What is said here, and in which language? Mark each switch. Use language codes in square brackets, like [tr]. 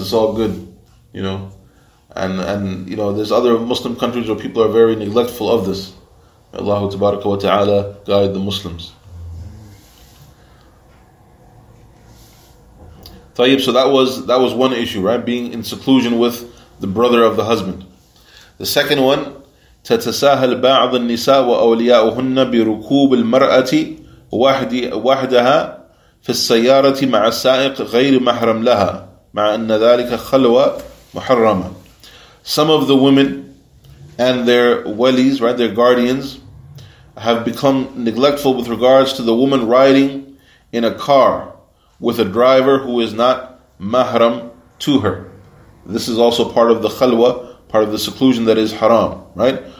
[en] It's all good, you know. And you know, there's other Muslim countries where people are very neglectful of this. Allah subhanahu wa ta'ala guide the Muslims. So that was one issue, right? Being in seclusion with the brother of the husband. The second one, [ar] تتساهل بعض النساء وأولياءهن بركوب المرأة وحدها في السيارة مع السائق غير محرم لها مع أن ذلك خلوة محرمة. [en] Some of the women and their walis, right, their guardians, have become neglectful with regards to the woman riding in a car with a driver who is not mahram to her. This is also part of the khalwa, part of the seclusion that is haram, right?